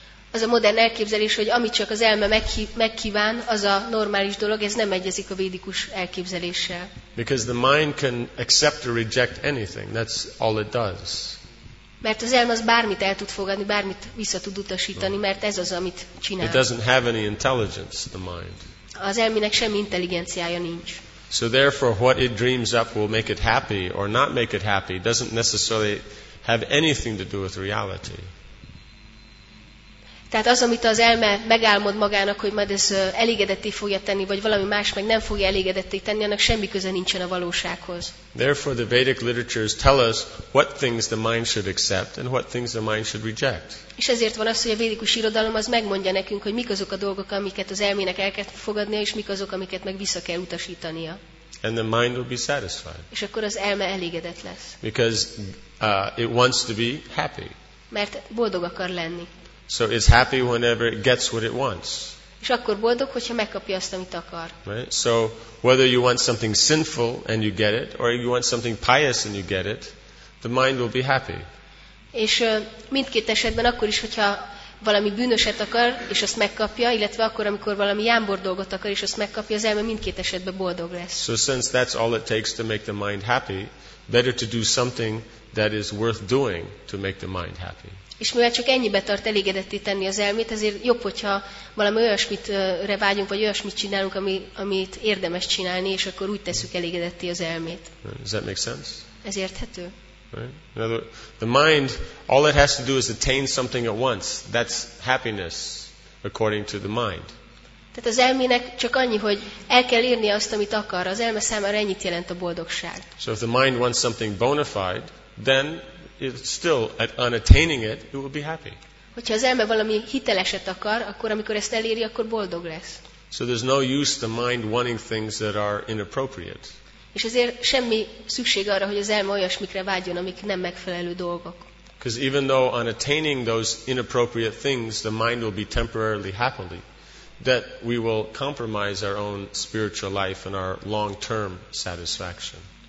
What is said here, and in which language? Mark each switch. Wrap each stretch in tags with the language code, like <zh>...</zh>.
<hu>Az a modern elképzelés, hogy amit csak az elme megkíván, az a normális dolog, ez nem egyezik a védikus elképzeléssel.</hu> <en>Because the mind can accept or reject anything. That's all it does.</en> <hu>Mert az elme az bármit el tud fogadni, bármit vissza tud utasítani, mert ez az, amit csinál.</hu> <en>It doesn't have any intelligence, the mind.</en> <hu>Az elmének semmi intelligenciája nincs.</hu> <en>So therefore, what it dreams up will make it happy or not make it happy doesn't necessarily have anything to do with reality.</en> <hu>Tehát az, amit az elme megálmod magának, hogy majd ez elégedetté fogja tenni, vagy valami más meg nem fogja elégedetté tenni, annak semmi köze nincsen a valósághoz.</hu> <en>Therefore the Vedic literatures tell us what things the mind should accept and what things the mind should reject.</en> <hu>És ezért van az, hogy a védikus irodalom az megmondja nekünk, hogy mik azok a dolgok, amiket az elmének el kell fogadnia, és mik azok, amiket meg vissza kell utasítania.</hu> <en>And the mind will be satisfied.</en> <hu>És akkor az elme elégedett lesz.</hu> <en>Because it wants to be happy.</en> <hu>Mert boldog akar lenni.</hu> <en>So it's happy whenever it gets what it wants.</en> <hu>És akkor boldog, hogyha megkapja azt, amit akar.</hu> <en>Right? So whether you want something sinful and you get it, or you want something pious and you get it, the mind will be happy.</en> <hu>És mindkét esetben akkor is, hogyha valami bűnöset akar, és azt megkapja, illetve akkor, amikor valami jámbor dolgot akar, és azt megkapja, az elme mindkét esetben boldog lesz.</hu> <en>So since that's all it takes to make the mind happy, better to do something that is worth doing to make the mind happy.</en> <hu>És mivel csak ennyibe tart elégedetté tenni az elmét, ezért jobb, hogyha valami olyasmitre vágyunk, vagy olyasmit csinálunk, amit érdemes csinálni, és akkor úgy tesszük elégedetté az elmét.</hu> <en>Does that make sense?</en> <hu>Ez érthető?</hu> <en>Right. Now the mind, all it has to do is attain something at once. That's happiness, according to the mind.</en> <hu>Tehát az elmének csak annyi, hogy el kell írni azt, amit akar. Az elme számára ennyit jelent a boldogság.</hu> <en>So if the mind wants something bona fide, then it's still at unattaining it, it will be happy.</en> <hu>Hogyha az elme valami hiteleset akar, akkor amikor ezt eléri, akkor boldog lesz.</hu> <en>So there's no use the mind wanting things that are inappropriate.</en> <hu>És ezért semmi szükség arra, hogy az elme olyasmikre vágyjon, amik nem megfelelő dolgok.</hu> <en>Because even though on attaining those inappropriate things, the mind will be temporarily happy, that we will compromise our own spiritual life and our long-term satisfaction.</en>